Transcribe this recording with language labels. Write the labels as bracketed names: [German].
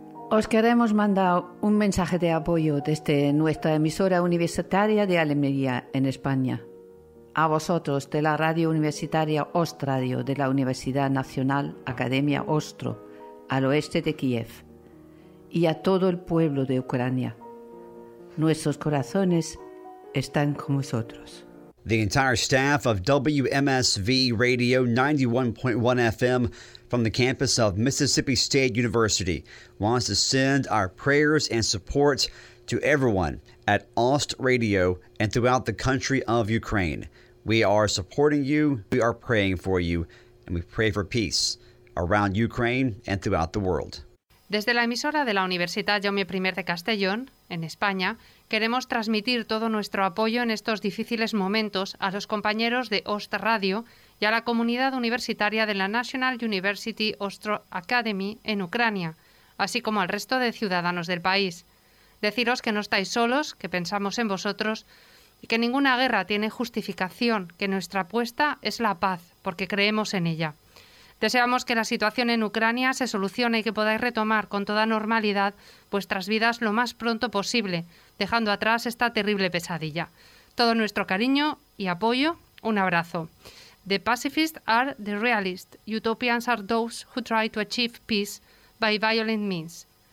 [Spanish] Os queremos mandar un mensaje de apoyo desde nuestra emisora universitaria de Almería, en España. A vosotros, de la radio universitaria Ostradio de la Universidad Nacional Academia Ostro, al oeste de Kiev, y a todo el pueblo de Ucrania. Nuestros corazones están con vosotros. [English] The entire staff of WMSV Radio 91.1 FM from the campus of Mississippi State University wants to send our prayers and support to everyone at Ost Radio and throughout the country of Ukraine. We are supporting you, we are praying for you, and we pray for peace around Ukraine and throughout the world. [Spanish] Desde la emisora de la Universidad Jaume I de Castellón, en España, queremos transmitir todo nuestro apoyo en estos difíciles momentos a los compañeros de Ost Radio y a la comunidad universitaria de la National University Ostro Academy en Ucrania, así como al resto de ciudadanos del país. Deciros que no estáis solos, que pensamos en vosotros y que ninguna guerra tiene justificación, que nuestra apuesta es la paz, porque creemos en ella. Deseamos que la situación en Ucrania se solucione y que podáis retomar con toda normalidad vuestras vidas lo más pronto posible, dejando atrás esta terrible pesadilla. Todo nuestro cariño y apoyo, un abrazo. [English] The pacifists are the realists. Utopians are those who try to achieve peace by violent means.